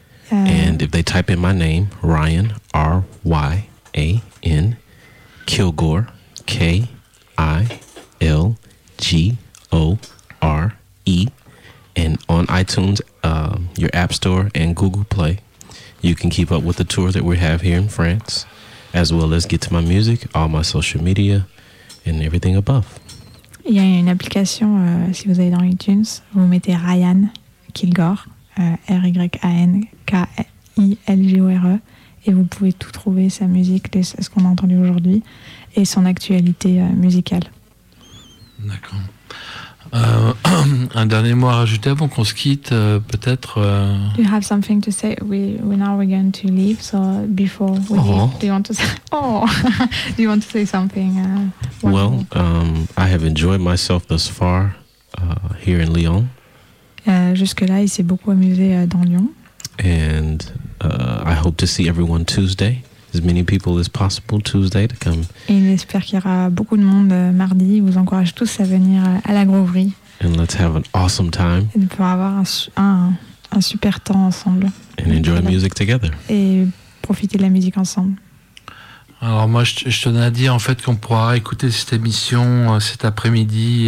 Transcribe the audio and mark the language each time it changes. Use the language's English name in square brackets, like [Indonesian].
[English] And if they type in my name, Ryan, R-Y-A-N, Kilgore, K-I-L-G-O-R-E, and on iTunes, your App Store, and Google Play, you can keep up with the tour that we have here in France, as well as get to my music, all my social media, and everything above. [French] Il y a une application, si vous allez dans iTunes, vous mettez Ryan Kilgore. R-Y-A-N-K-I-L-G-O-R-E et vous pouvez tout trouver, sa musique, ce qu'on a entendu aujourd'hui et son actualité musicale. D'accord. Un dernier mot à rajouter avant qu'on se quitte, peut-être. [English] Do you have something to say? We now we're going to leave, so before we leave, do you want to say something? Well, I have enjoyed myself thus far here in Lyon. [French] Jusque-là, il s'est beaucoup amusé dans Lyon. [English] And I hope to see everyone Tuesday, as many people as possible Tuesday to come. [French] Et il espère qu'il y aura beaucoup de monde mardi. Je vous encourage tous à venir à la Grouverie. [English] And let's have an awesome time. [French] Et pour avoir un super temps ensemble. [English] And enjoy music together. [French] Et profiter de la musique ensemble. Alors moi, je tenais à dire en fait qu'on pourra écouter cette émission cet après-midi.